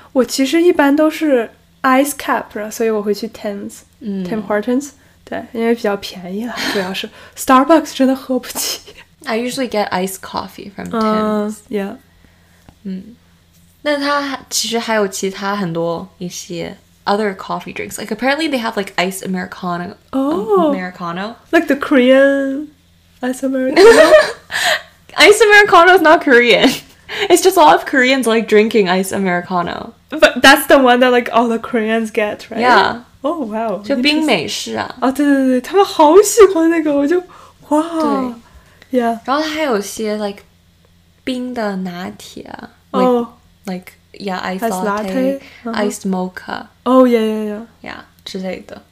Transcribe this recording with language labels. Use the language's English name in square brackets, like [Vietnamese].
[Chinese] 我其实一般都是 ice cap， 所以我会去 Tim's， Tim Hortons， 对，因为比较便宜了。主要是 Starbucks 真的喝不起。 [English] I usually get iced coffee from Tim's. Yeah. [Chinese] 嗯，那它其实还有其他很多一些。 [English] Other coffee drinks, like apparently they have like iced Americano. Oh, Americano, like the Korean iced Americano. Iced Americano is not Korean. It's just a lot of Koreans like drinking iced Americano. But that's the one that like all the Koreans get, right? Yeah. Oh wow. [Chinese] 就冰美式啊。啊、oh, 对对对，他们好喜欢那个，我就哇。对。 [English] Yeah. [Chinese] 然后还有些 like 冰的拿铁啊。 [English] Oh. Like. Yeah, iced latte, iced mocha. Oh, yeah, yeah, yeah. [Chinese] Yeah, 之类的。